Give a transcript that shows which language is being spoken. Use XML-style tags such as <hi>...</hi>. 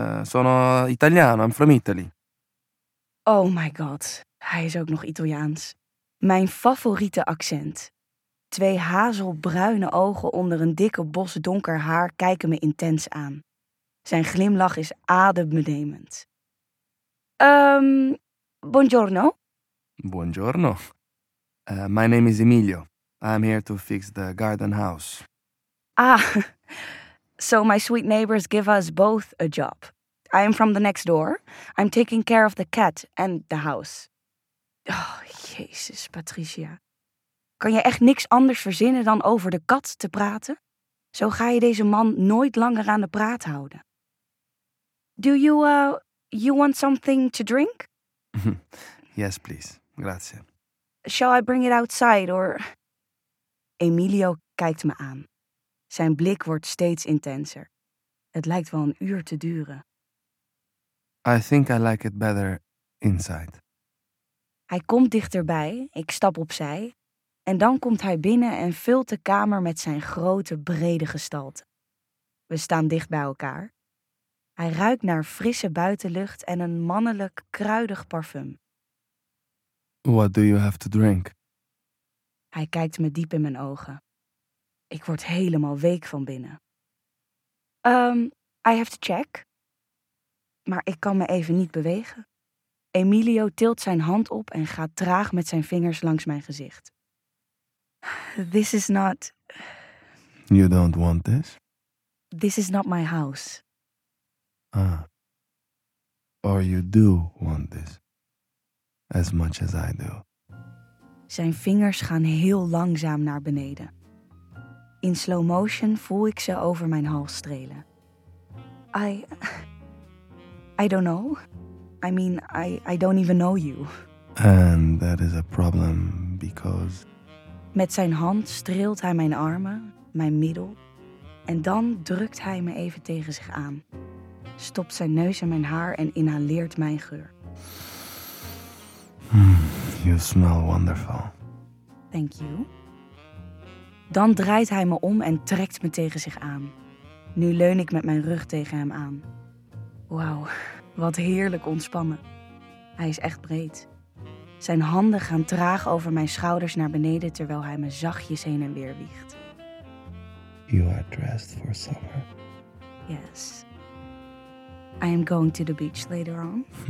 <it>Sono italiano,</it> <en>I'm from Italy.</en> <nl>Oh my god, hij is ook nog Italiaans. Mijn favoriete accent. 2 hazelbruine ogen onder een dikke bos donker haar kijken me intens aan. Zijn glimlach is adembenemend.</nl> <it>Buongiorno. Buongiorno.</it> <en>My name is Emilio. I'm here to fix the garden house. Ah, so my sweet neighbors give us both a job. I am from the next door. I'm taking care of the cat and the house.</en> <nl>Oh, Jezus, Patricia. Kan je echt niks anders verzinnen dan over de kat te praten? Zo ga je deze man nooit langer aan de praat houden.</nl> <en>Do you, you want something to drink? Yes, please. Grazie. Shall I bring it outside, or...</en> <nl>Emilio kijkt me aan. Zijn blik wordt steeds intenser. Het lijkt wel een uur te duren.</nl> <en>I think I like it better inside.</en> <nl>Hij komt dichterbij, ik stap opzij. En dan komt hij binnen en vult de kamer met zijn grote, brede gestalte. We staan dicht bij elkaar. Hij ruikt naar frisse buitenlucht en een mannelijk, kruidig parfum.</nl> <en>What do you have to drink?</en> <nl>Hij kijkt me diep in mijn ogen. Ik word helemaal week van binnen.</nl> <en>I have to check.</en> <nl>Maar ik kan me even niet bewegen. Emilio tilt zijn hand op en gaat traag met zijn vingers langs mijn gezicht.</nl> <en>This is not... You don't want this? This is not my house. Ah. Or you do want this. As much as I do.</en> <nl>Zijn vingers gaan heel langzaam naar beneden. In slow motion voel ik ze over mijn hals strelen.</nl> <en>I don't know. I mean, I don't even know you. And that is a problem because...</en> <nl>Met zijn hand streelt hij mijn armen, mijn middel. En dan drukt hij me even tegen zich aan. Stopt zijn neus in mijn haar en inhaleert mijn geur.</nl> <en>You smell wonderful. Thank you.</en> <nl>Dan draait hij me om en trekt me tegen zich aan. Nu leun ik met mijn rug tegen hem aan. Wauw, wat heerlijk ontspannen. Hij is echt breed. Zijn handen gaan traag over mijn schouders naar beneden terwijl hij me zachtjes heen en weer wiegt.</nl> <en>You are dressed for summer. Yes. I am going to the beach later on.</en>